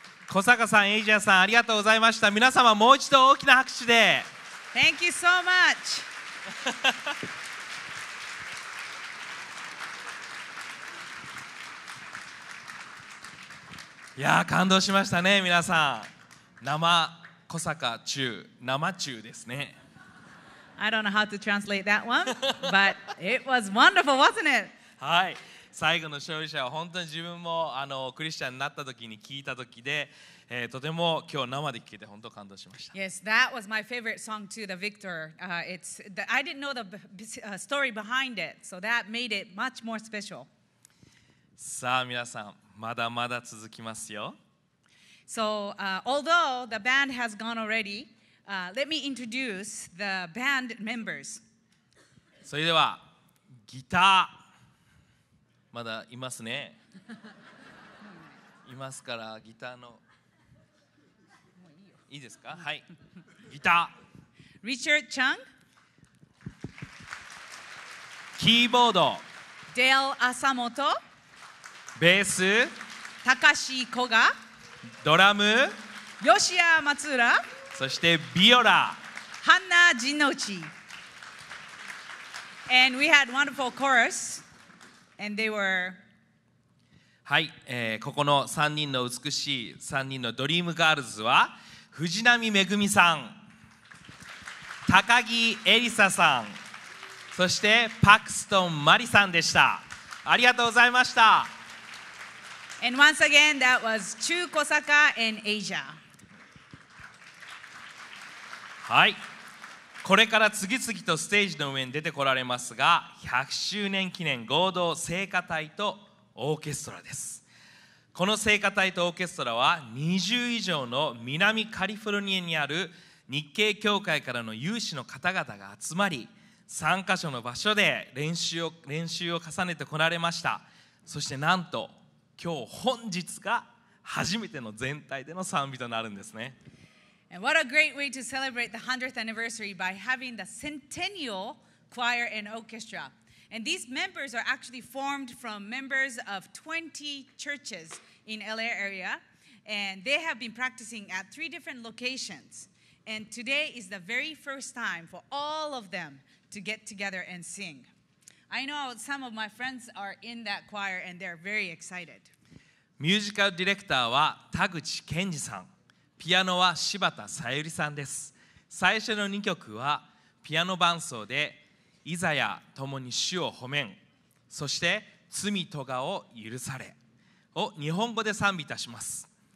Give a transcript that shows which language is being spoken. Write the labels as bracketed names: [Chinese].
[Japanese] 小坂さん、エイジアさん、ありがとうございました。皆様もう一度大きな拍手で。 [English] Thank you so much. [Japanese] いや、感動しましたね、皆さん。生小坂中、生中ですね。 [English] I don't know how to translate that one, but it was wonderful, wasn't it? [Japanese] はい、最後の勝利者は本当に自分もクリスチャンになった時に聞いた時で、とても今日生で聞けて本当に感動しました。 [English] Yes, that was my favorite song too, The Victor. I didn't know the story behind it, so that made it much more special. [Japanese] さあ、皆さん、まだまだ続きますよ。 [English] So, although the band has gone already, let me introduce the band members. [Japanese] それでは、ギターまだいますね。いますから、ギターのいいですか。はい、ギター Richard Chung、キーボード Dale Asamoto、ベース高橋小賀、ドラム吉谷松浦、そしてビオラ、 [English] ハンナ陣内、 And we had wonderful chorus and they were、 [Japanese] はい、ここの3人の美しい3人のドリームガールズは藤波めぐみさん、高木エリサさん、そしてパクストンマリさんでした。ありがとうございました。 [English] And once again, that was 中小坂 and Asia. [Japanese] はい、これから次々とステージの上に出てこられますが、100周年記念合同聖歌隊とオーケストラです。この聖歌隊とオーケストラは20以上の南カリフォルニアにある日系教会からの有志の方々が集まり、3カ所の場所で練習を重ねてこられました。そしてなんと今日本日が初めての全体での賛美となるんですね。 [English] And what a great way to celebrate the 100th anniversary by having the Centennial Choir and OrchestraAnd these members are actually formed from members of 20 churches in LA area. And they have been practicing at three different locations. And today is the very first time for all of them to get together and sing. I know some of my friends are in that choir and they're very excited. [Japanese] Musical director は田口健二さん。ピアノは柴田さゆりさんです。最初の2曲はピアノ伴奏で、イザヤ共に主を褒めん、そして罪とがを許されを日本語で賛美いたします。